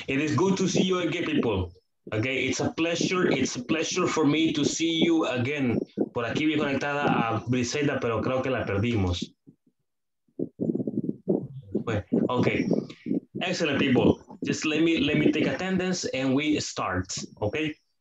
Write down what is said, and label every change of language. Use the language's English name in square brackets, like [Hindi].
[English] It is good to see you again, people. Okay, it's a pleasure for me to see you again. [Spanish] Por aquí vi conectada a Briseida, pero creo que la perdimos. [English] Okay, excellent, people. Just let me take attendance and we start, okay?